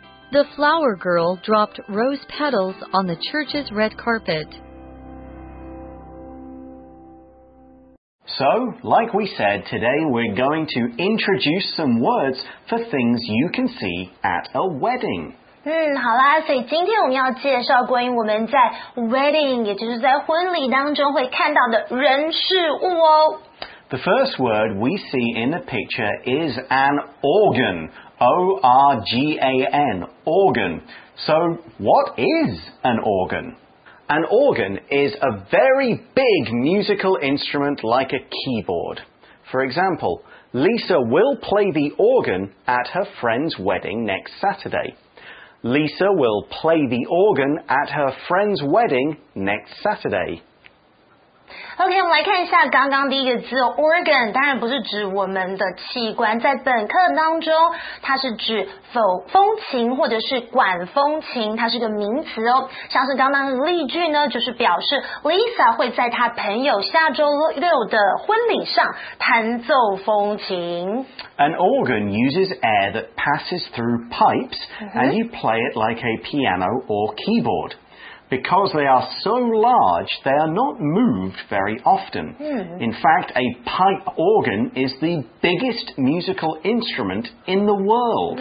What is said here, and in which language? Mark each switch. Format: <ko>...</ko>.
<en>The flower girl dropped rose petals on the church's red carpet. So, like we said, today we're going to introduce some words for things you can see at a wedding.</en> <zh>好啦，所以今天我们要介绍关于我们在 wedding, 也就是在婚礼当中会看到的人事物哦。</zh> <en>The first word we see in the picture is an organ, O-R-G-A-N, organ. So what is an organ? An organ is a very big musical instrument like a keyboard. For example, Lisa will play the organ at her friend's wedding next Saturday. Lisa will play the organ at her friend's wedding next Saturday.</en> <zh>OK, 我们来看一下刚刚第一个字 organ, 当然不是指我们的器官，在本课当中它是指风琴或者是管风琴，它是个名词哦。像是刚刚的例句呢，就是表示 Lisa 会在她朋友下周六的婚礼上弹奏风琴。</zh> <en>An organ uses air that passes through pipes, and you play it like a piano or keyboard. Because they are so large, they are not moved very often. In fact, a pipe organ is the biggest musical instrument in the world.</en>